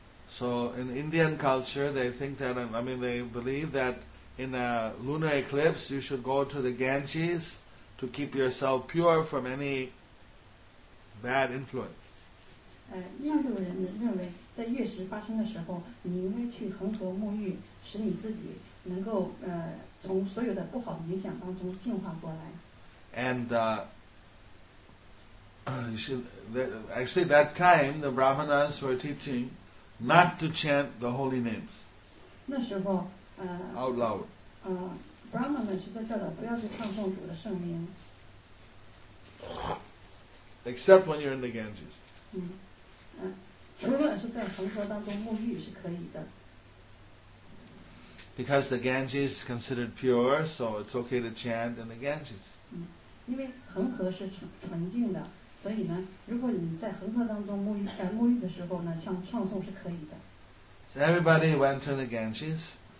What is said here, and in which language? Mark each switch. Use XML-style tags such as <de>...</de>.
<en>So in Indian culture, they think that they believe that. In a lunar eclipse, you should go to the Ganges to keep yourself pure from any bad influence.</en> <zh>印度人认为在月食发生的时候，你应该去恒河沐浴，使你自己能够从所有的不好的影响当中净化过来。</zh> <en>And actually, that time the Brahmanas were teaching not to chant the holy names.</en> <zh>那时候。</zh> <en>Out loud.</en> <zh>Brahma 们是在教导不要去唱诵主的圣名。</zh> <en>Except when you're in the Ganges.</en> <zh>除了是在恒河当中沐浴是可以的。</zh> <en>Because the Ganges is considered pure, so it's okay to chant in the Ganges.</en> <zh>因为恒河是纯净的，所以呢，如果你在恒河当中沐浴的时候呢，唱诵是可以的。</zh> <en>So everybody went to the Ganges.</en>